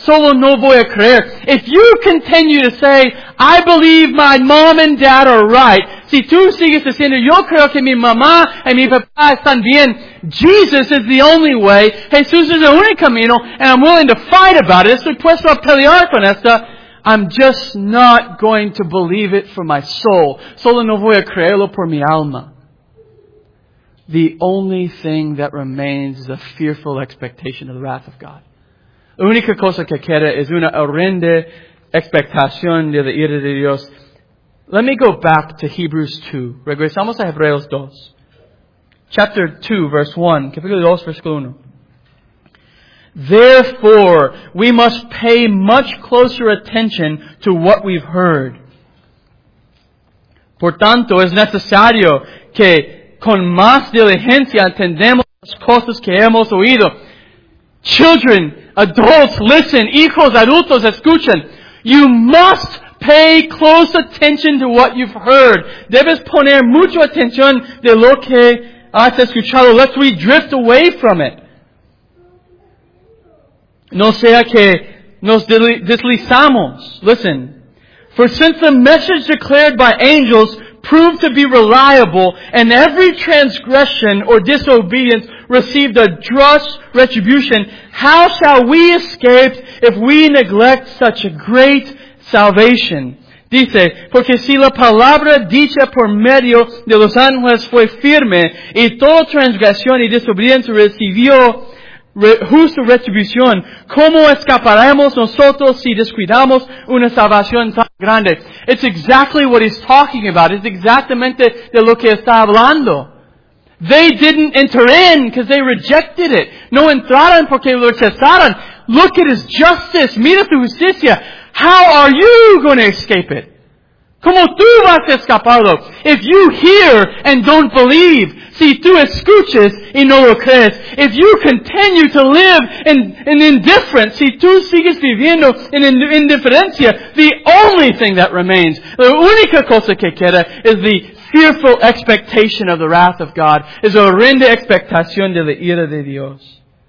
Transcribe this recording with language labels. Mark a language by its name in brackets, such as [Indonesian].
[Spanish] solo no voy a creer. [English] If you continue to say, I believe my mom and dad are right, [Spanish] si tú sigues diciendo, yo creo que mi mamá y mi papá están bien, [English] Jesus is the only way, [Spanish] Jesús es el único camino, [English] and I'm willing to fight about it, [Spanish] estoy puesto a pelear con esto, [English] I'm just not going to believe it for my soul. [Spanish] Solo no voy a creerlo por mi alma. [English] The only thing that remains is a fearful expectation of the wrath of God. [Spanish] La única cosa que queda es una horrenda expectación de la ira de Dios. [English] Let me go back to Hebrews 2. [Spanish] Regresamos a Hebreos 2. [English] Chapter 2, verse 1. [Spanish] Capítulo 2, versículo 1. [English] Therefore, we must pay much closer attention to what we've heard. [Spanish] Por tanto, es necesario que con más diligencia atendemos las cosas que hemos oído. [English] Children, adults, listen. [Spanish] Hijos, adultos, escuchen. [English] You must pay close attention to what you've heard. [Spanish] Debes poner mucho atención de lo que has escuchado, [English] lest we drift away from it. [Spanish] No sea que nos deslizamos. [English] Listen. For since the message declared by angels proved to be reliable, and every transgression or disobedience received a just retribution, how shall we escape if we neglect such a great salvation? [Spanish] Dice, porque si la palabra dicha por medio de los ángeles fue firme, y toda transgresión y desobediencia recibió justa retribución, ¿cómo escaparemos nosotros si descuidamos una salvación tan grande? [English] It's exactly what he's talking about. It's [Spanish] exactamente de lo que está hablando. [English] They didn't enter in because they rejected it. [Spanish] No entraron porque lo rechazaron. [English] Look at his justice. [Spanish] Mira su justicia. [English] How are you going to escape it? [Spanish] ¿Cómo tú vas a escaparlo? [English] If you hear and don't believe, [Spanish] si tú escuchas y no lo crees, [English] if you continue to live in indifference, [Spanish] si tú sigues viviendo en indiferencia, [English] the only thing that remains, [Spanish] la única cosa que queda, [English] is the fearful expectation of the wrath of God, [Spanish] es la horrenda expectación de la ira de Dios.